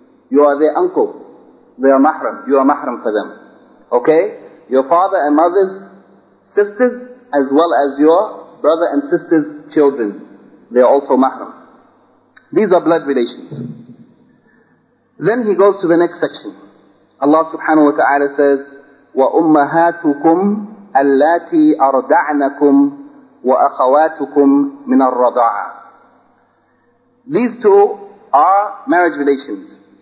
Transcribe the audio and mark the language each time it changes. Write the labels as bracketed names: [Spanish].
[English] You are their uncle. They are mahram. You are mahram for them. Okay? Your father and mother's sisters, as well as your brother and sister's children, they are also mahram. These are blood relations. Then he goes to the next section. Allah subhanahu wa ta'ala says, [Arabic] وَأُمَّهَاتُكُمْ أَلَّاتِي أَرْدَعْنَكُمْ وَأَخَوَاتُكُمْ مِنَ الرَّضَاعَ. [English] These two are marriage relations.